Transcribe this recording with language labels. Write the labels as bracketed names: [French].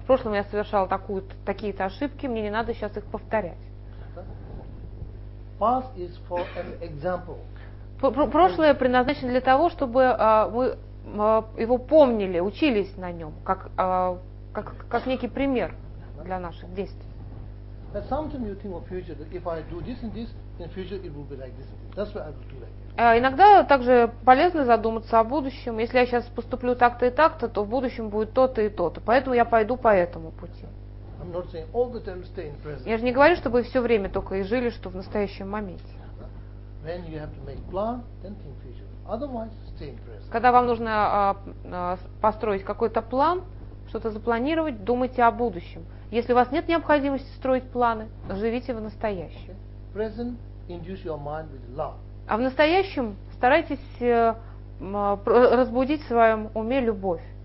[Russian] В прошлом я совершал такие-то ошибки, мне не надо сейчас их повторять. [English] Past is for an example. [Russian] Прошлое предназначено для того, чтобы мы его помнили, учились на нем, как некий пример для наших действий. [English] But sometimes you think of future that if I do this and this, in future it will be like this. That's why I will do like this. [Russian] Иногда также полезно задуматься о будущем. Если я сейчас поступлю так-то и так-то, то в будущем будет то-то и то-то. Поэтому я пойду по этому пути. [English] I'm not saying all the time stay in present. [Russian] Я же не говорю, чтобы все время только и жили, что в настоящем моменте. [English] When you have to make plan, then think future. Otherwise, stay in present. [Russian] Когда вам нужно построить какой-то план, что-то запланировать, думайте о будущем. Если у вас нет необходимости строить планы, живите в настоящем. [English] Present, induce your mind with love. [Russian] А в настоящем старайтесь разбудить в своем уме любовь.